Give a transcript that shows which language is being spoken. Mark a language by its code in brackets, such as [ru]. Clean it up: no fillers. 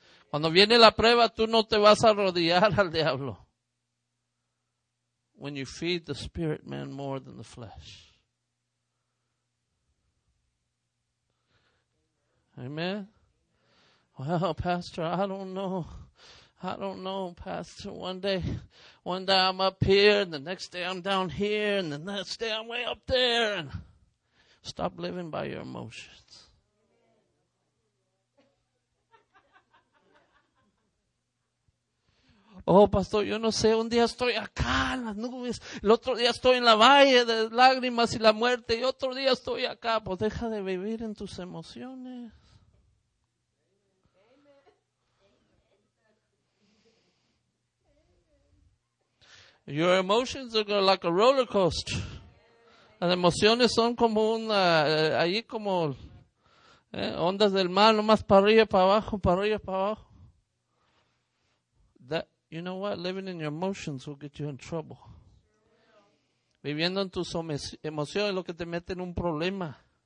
[es] Cuando viene la prueba, tú no te vas a arrodillar al diablo. [en] When you feed the spirit, man, more than the flesh. Amen? Well, Pastor, I don't know. I don't know, Pastor. One day I'm up here, and the next day I'm down here, and the next day I'm way up there. And stop living by your emotions. [es] Oh, Pastor, yo no sé, un día estoy acá en las nubes, el otro día estoy en la valle de lágrimas y la muerte, y otro día estoy acá. Pues deja de vivir en tus emociones. [en] Your emotions are like a roller coaster. [es] Las emociones son como una, ahí como ondas del mar, nomás para arriba, para abajo, para arriba, para abajo. [en] You know what? Living in your emotions will get you in trouble. [es] Viviendo en tus emociones es lo que te mete en un problema.